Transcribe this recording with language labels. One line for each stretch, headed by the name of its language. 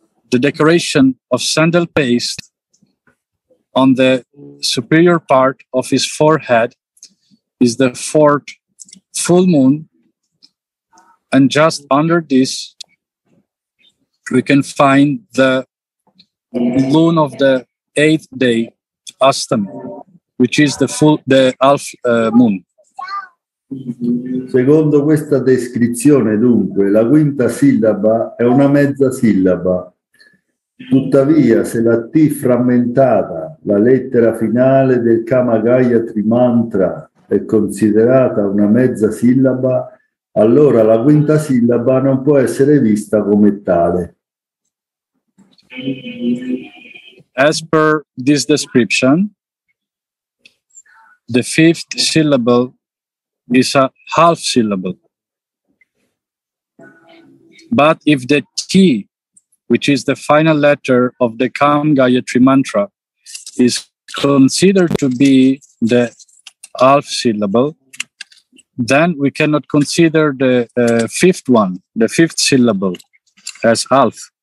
English: The decoration of sandal paste on the superior part of his forehead is the fourth full moon, and just under this we can find the lune of the eighth day, Astami, which is the half moon.
Italian: Secondo questa descrizione, dunque, la quinta sillaba è una mezza sillaba. Tuttavia, se la T frammentata, la lettera finale del Kama Gayatri Mantra, è considerata una mezza sillaba, allora la quinta sillaba non può essere vista come tale.
English: As per this description, the fifth syllable is a half syllable. But if the T, which is the final letter of the Kam Gayatri Mantra, is considered to be the half syllable, then we cannot consider the fifth one, the fifth syllable, as half.